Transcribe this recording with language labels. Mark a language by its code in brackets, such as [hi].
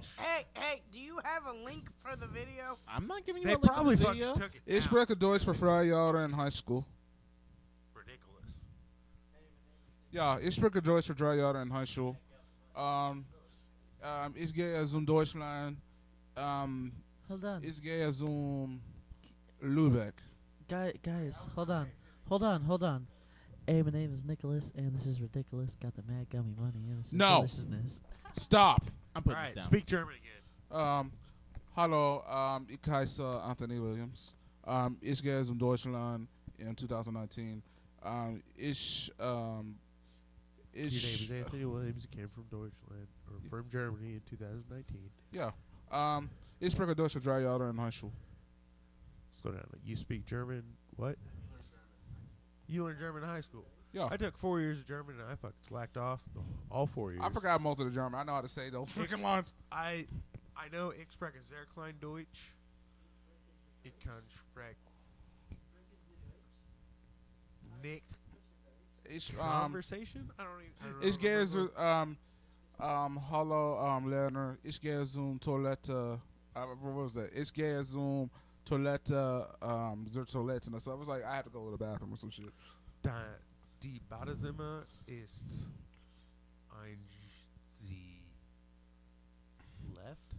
[en] Hey, do you have a link for the video? I'm not giving you they a link for the video. They probably fucking took it. [de] Ich spreche Deutsch für freie Jahre in [en] high school. Ridiculous. Yeah, [de] ich spreche Deutsch für freie Jahre in [en] high school. [de] Ich gehe zum Deutschland. [en] Hold on. [de] Ich gehe zum Lübeck. [en] Guys, hold on. Hold on. Hey, my name is Nicholas, and this is Ridiculous. Got the mad gummy money. And this is no. Deliciousness. Stop. I'm putting this down. Speak German again. [de] Hallo, ich heiße Anthony Williams. Ich gehe zum Deutschland. [en] in 2019. His name is Anthony Williams. He came from Deutschland, or from Germany in 2019. Yeah. [de] Ich spreche Deutsch, drei Jahre in Heuschel. [en] Slow down. You speak German, what? You learned German in high school. Yeah. I took 4 years of German, and I fucking slacked off all 4 years. I forgot most of the German. I know how to say those freaking lines. I know [de] ich spreche sehr klein Deutsch. Ich kann sprechen. Nicht. [en] Conversation? I don't know. [de] Hallo, Lerner. Ich gehe zum Toilette. Ich gehe zum Toilette. Zur Toilette. [en] So I was like, I had to go to the bathroom or some shit. [de] Die Badezimmer ist ein die [en] left?